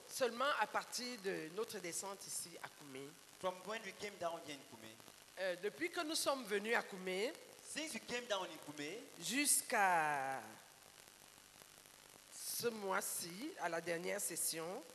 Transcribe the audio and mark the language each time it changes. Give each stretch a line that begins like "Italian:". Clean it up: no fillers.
French: Seulement à partir de notre descente ici à Koumé.
English: From when we came down here in Koumé.
French: Depuis que nous sommes venus à Koumé.
English: Since we came down in Koumé.
French: Jusqu'à ce mois-ci, à la dernière session.